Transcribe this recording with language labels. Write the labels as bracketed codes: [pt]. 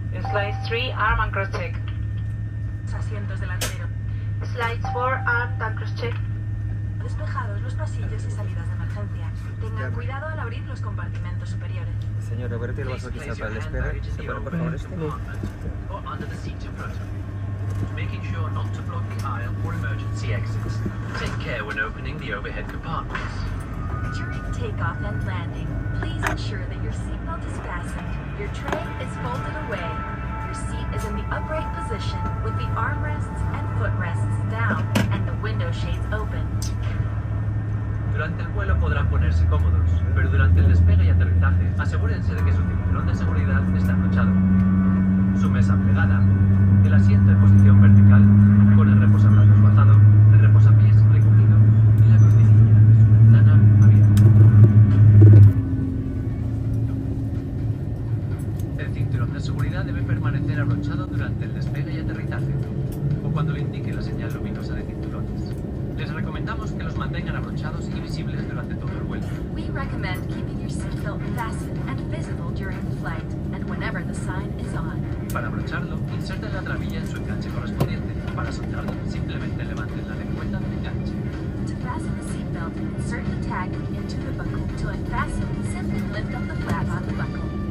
[en] Flight 3, arm and cross check. [es] Los asientos delanteros. [en] Flight 4, arm and cross check. [es] Despejados los pasillos y salidas de emergencia. Tengan cuidado al abrir los compartimentos superiores. Señor, apriete el vaso quizá para el espera. Separa por favor este. [en] Making sure not to block the aisle or emergency exits. Take care when opening the overhead compartments. During takeoff and landing, please ensure that your seatbelt is fastened, your tray is folded away, your seat is in the upright position with the armrests and footrests down and the window shades open. [es] Durante el vuelo podrán ponerse cómodos, pero durante el despegue y aterrizaje, asegúrense de que su cinturón de seguridad está abrochado. Su mesa pegada, el asiento en posición vertical, con el reposabrazos bajado, el reposapiés recogido y la cortinilla de su ventana abierta. El cinturón de seguridad debe permanecer abrochado durante el despegue y aterrizaje, o cuando le indique la señal luminosa de cinturones. Les recomendamos que los mantengan abrochados y visibles durante todo el vuelo. [en] We recommend keeping your seatbelt fastened and visible during the flight and whenever the sign is on. [es] Para abrocharlo, inserten la trabilla en su enganche correspondiente. Para soltarlo, simplemente levanten la lengüeta del enganche. [en] To fasten the seatbelt, insert the tag into the buckle. To unfasten, simply lift up the flap on the buckle.